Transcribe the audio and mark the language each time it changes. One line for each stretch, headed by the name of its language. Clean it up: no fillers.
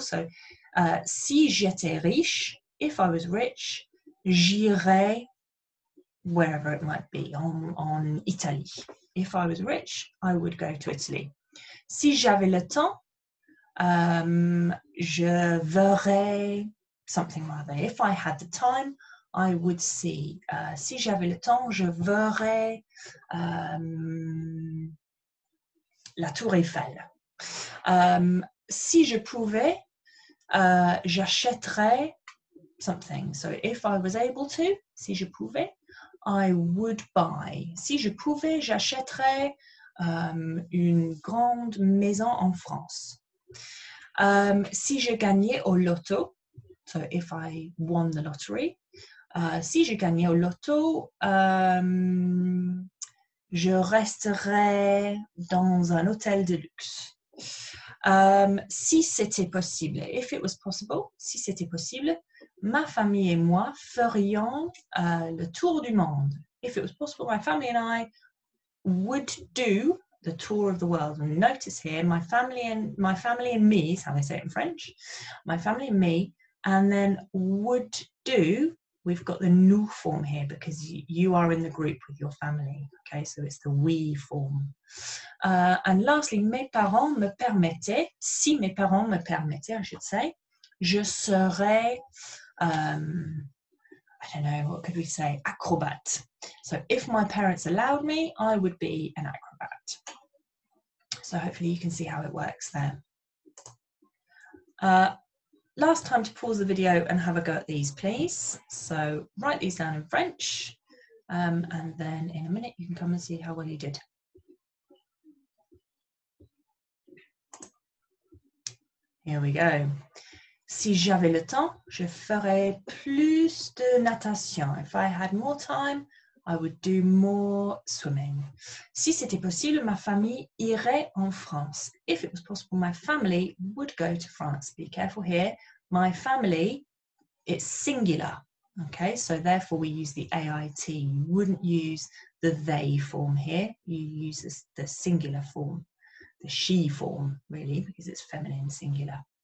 English: So
French: si j'étais riche,
English: if I was rich,
French: j'irais
English: wherever it might be, on Italy. If I was rich, I would go to Italy.
French: Si j'avais le temps, je verrais
English: something like that. If I had the time, I would see.
French: Si j'avais le temps, je verrais la Tour Eiffel. Si je pouvais, j'achèterais something.
English: So if I was able to,
French: si je pouvais,
English: I would buy.
French: Si je pouvais, j'achèterais une grande maison en France. Si je gagnais au loto,
English: so if I won the lottery,
French: si je gagnais au loto, je resterais dans un hôtel de luxe. Si c'était possible,
English: if it was possible,
French: si c'était possible, ma famille et moi ferions le tour du monde.
English: If it was possible, my family and I would do the tour of the world. And notice here, my family and me, is how they say it in French, my family and me, and then would do we've got the nous form here because you are in the group with your family. Okay, so it's the we form. And lastly,
French: mes parents me permettaient, si mes parents me permettaient,
English: I should say,
French: je serais,
English: I don't know, what could we say, acrobat. So if my parents allowed me, I would be an acrobat. So hopefully you can see how it works there. Last time to pause the video and have a go at these, please. So write these down in French, and then in a minute you can come and see how well you did. Here we go.
French: Si j'avais le temps, je ferais plus de natation.
English: If I had more time, I would do more swimming.
French: Si c'était possible, ma famille irait en France.
English: If it was possible, my family would go to France. Be careful here. My family, it's singular. Okay, so therefore we use the AIT. You wouldn't use the they form here. You use the singular form, the she form, really, because it's feminine singular.